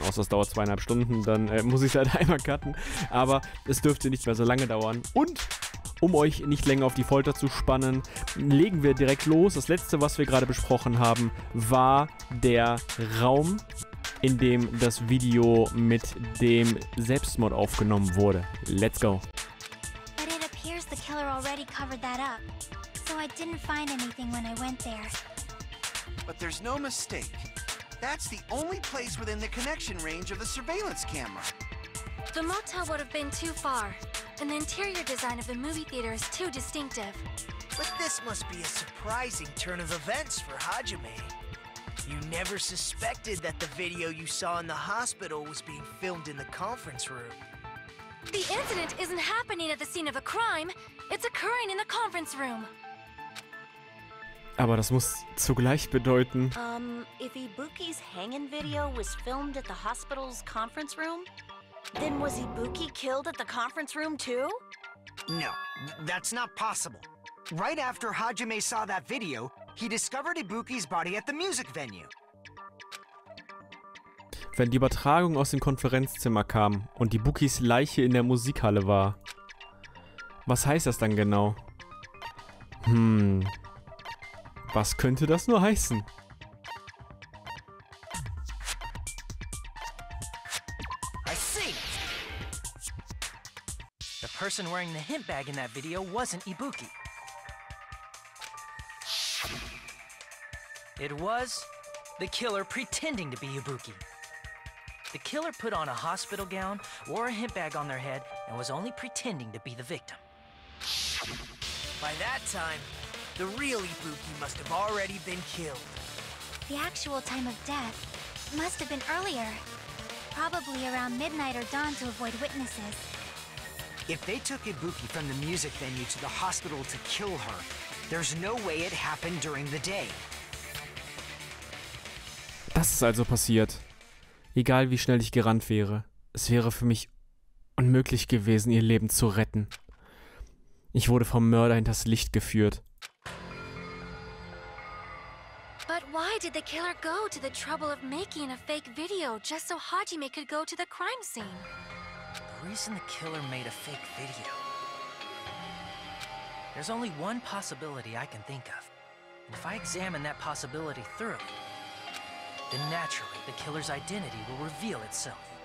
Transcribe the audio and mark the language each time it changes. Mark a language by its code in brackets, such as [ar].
[de] Außer es dauert 2,5 Stunden, dann muss ich es halt einmal cutten. Aber es dürfte nicht mehr so lange dauern. Und um euch nicht länger auf die Folter zu spannen, legen wir direkt los. Das letzte, was wir gerade besprochen haben, war der Raum, in dem das Video mit dem Selbstmord aufgenommen wurde. [en] Let's go. But it appears the killer already covered that up. So I didn't find anything when I went there. But there's no mistake. That's the only place within the connection range of the surveillance camera. The motel would have been too far. And the interior design of the movie theater is too distinctive. But this must be a surprising turn of events for Hajime. You never suspected that the video you saw in the hospital was being filmed in the conference room. The incident isn't happening at the scene of a crime. It's occurring in the conference room. [de] Aber das muss zugleich bedeuten. [en] If Ibuki's hang-in video was filmed at the hospital's conference room, then was Ibuki killed at the conference room too? No, that's not possible. Right after Hajime saw that video, he discovered Ibuki's body at the music venue. [de] Wenn die Übertragung aus dem Konferenzzimmer kam und Ibukis Leiche in der Musikhalle war, was heißt das dann genau? Was könnte das nur heißen? [en] The person wearing the hint bag in that video wasn't Ibuki. It was the killer pretending to be Ibuki. The killer put on a hospital gown, wore a hint bag on their head, and was only pretending to be the victim. By that time, the real Ibuki must have already been killed. The actual time of death must have been earlier, probably around midnight or dawn to avoid witnesses. If they took Ibuki from the music venue to the hospital to kill her, there's no way it happened during the day. [de] Das ist also passiert. Egal wie schnell ich gerannt wäre, es wäre für mich unmöglich gewesen, ihr Leben zu retten. Ich wurde vom Mörder in das Licht geführt. [en] But why did the killer go to the trouble of making a fake video just so Hajime could go to the crime scene? The reason the killer made a fake video. There's only one possibility I can think of. And if I examine that possibility thoroughly, then naturally the killer's identity will reveal itself.